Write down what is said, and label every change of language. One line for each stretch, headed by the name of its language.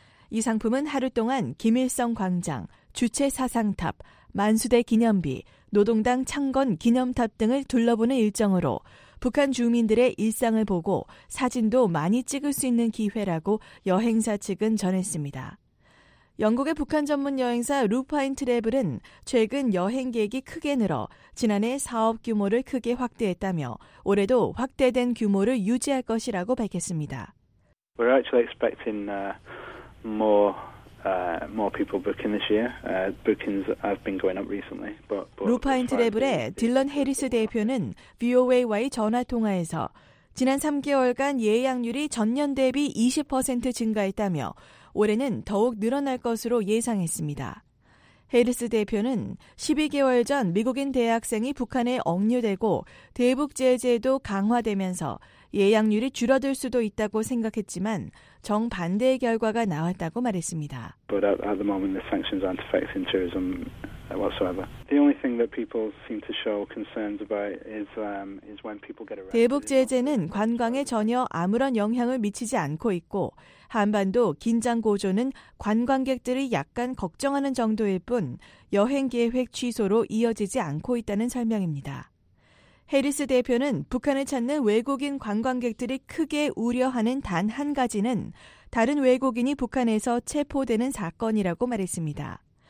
Korean: 이 상품은 하루 동안 김일성 광장, 주체 사상탑, 만수대 기념비, 노동당 창건 기념탑 등을 둘러보는 일정으로 북한 주민들의 일상을 보고 사진도 많이 찍을 수 있는 기회라고 여행사 측은 전했습니다. 영국의 북한 전문 여행사 루파인 트래블은 최근 여행객이 크게 늘어 지난해 사업 규모를 크게 확대했다며 올해도 확대된 규모를 유지할 것이라고 밝혔습니다.
English: We're actually expecting more people booking this year. Bookings have been going up recently.
Korean: 루파인 트래블의 딜런 해리스 대표는 VOA와의 전화 통화에서 지난 3개월간 예약률이 전년 대비 20% 증가했다며 올해는 더욱 늘어날 것으로 예상했습니다. 해리스 대표는 12개월 전 미국인 대학생이 북한에 억류되고 대북 제재도 강화되면서 예약률이 줄어들 수도 있다고 생각했지만 정반대의 결과가 나왔다고 말했습니다.
English: But at the moment the sanctions aren't affecting tourism whatsoever. The only thing that people seem to show concerns about is when people get around.
Korean: 대북 제재는 관광에 전혀 아무런 영향을 미치지 않고 있고 한반도 긴장 고조는 관광객들이 약간 걱정하는 정도일 뿐 여행 계획 취소로 이어지지 않고 있다는 설명입니다. 해리스 대표는 북한을 찾는 외국인 관광객들이 크게 우려하는 단 한 가지는 다른 외국인이 북한에서 체포되는 사건이라고 말했습니다.